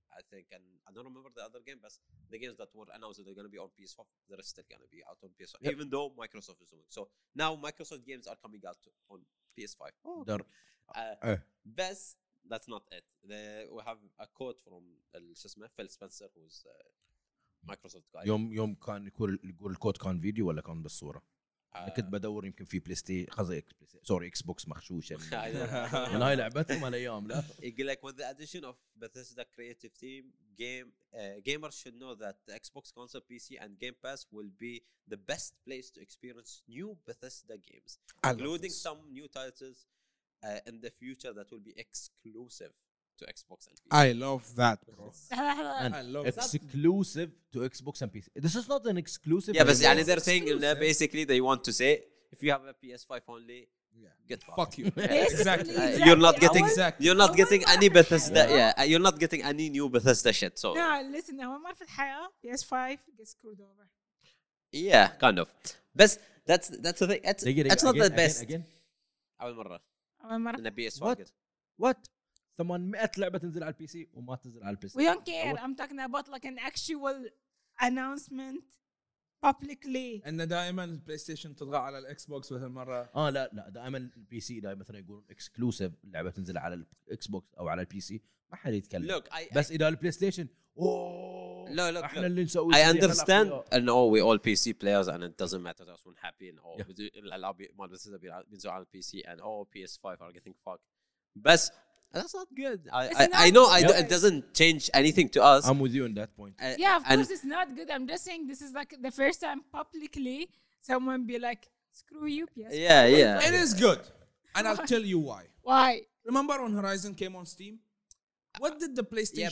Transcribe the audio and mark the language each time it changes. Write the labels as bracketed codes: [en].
[en] I think, and I don't remember the other game, but the games that were announced, they're going to be on PS4, they're still going to be out on PS5, even though Microsoft is doing. So now Microsoft games are coming out on PS5. Oh. But that's not it. We have a quote from Phil Spencer, who's a Microsoft guy. [ar] يوم كان يقول الكوت كان فيديو ولا كان بالصورة؟ كنت بدور يمكن في اكس بوكس مخشوشة من هاي لعبتهم هالايام لا يقول لك [en] with the addition of Bethesda creative team gamers should know that the Xbox console PC and Game Pass will be the best place to experience new Bethesda games including some new titles in the future that will be exclusive to Xbox and PC. I love that, bro. Exclusive to Xbox and PC. This is not an exclusive. Yeah, but yani they're saying basically they want to say if you have a PS5 only, get fuck you. Exactly. You're not getting any Bethesda. Yeah, you're not getting any new Bethesda shit. So. No, listen. I want more for the PS5 gets screwed over. Yeah, kind of. But that's the thing. That's not the best. Again. [ar] أول مرة. [en] The PS5. What? [ar] 800 لعبة تنزل على البي سي وما تنزل على البي سي. [en] We don't care. I'm talking about like an actual announcement publicly. [ar] إن دائماً البلاي ستيشن تطغى على الإكس بوكس مثل مرة. لا دائماً البي سي دائماً مثلاً يقولون إكسكلوسيف لعبة تنزل على الإكس بوكس أو على البي سي ما حد يتكلم. [en] Look, [ar] بس إذا البلاي ستيشن. إحنا اللي نسوي. [en] I understand. No, we all PC players and it doesn't matter to us. We're happy and all. [ar] الألعاب ما بتصير بينزل على البي سي [en] and all PS5 are getting fucked. بس that's not good. I know it doesn't change anything to us. I'm with you on that point. Of course it's not good. I'm just saying this is like the first time publicly someone be like, screw you, PS. Yeah. It is good. And I'll tell you why. Why? Remember when Horizon came on Steam? What did the PlayStation